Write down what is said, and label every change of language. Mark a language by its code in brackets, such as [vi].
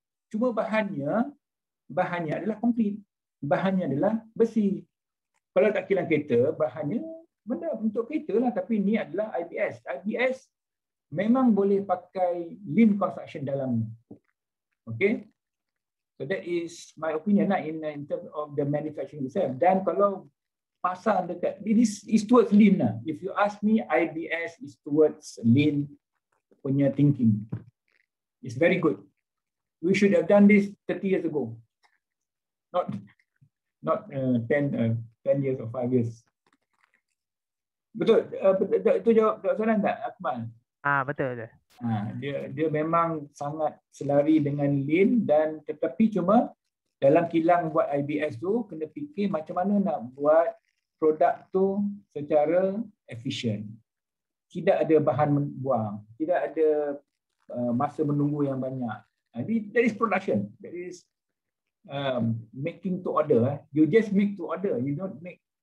[ms] Cuma bahannya adalah konkrit. Bahannya adalah besi. Kalau tak kilang kereta, bahannya benda untuk kereta lah. Tapi ni adalah IBS. IBS memang boleh pakai lean construction dalam ni. [en] Okay? So that is my opinion lah in terms of the manufacturing itself. [ms] Dan kalau pasal dekat, [en] this is towards lean lah. If you ask me, IBS is towards lean punya thinking. It's very good. We should have done this 30 years ago. Not 10 years or 5 years. Betul? [ms] Itu jawab soalan tak, Akmal? Betul. Dia memang sangat selari dengan lean dan tetapi cuma dalam kilang buat IBS tu kena fikir macam mana nak buat produk tu secara efisien. Tidak ada bahan buang, tidak ada masa menunggu yang banyak. [en] Jadi that is production, that is making to order. You just make to order, you don't make.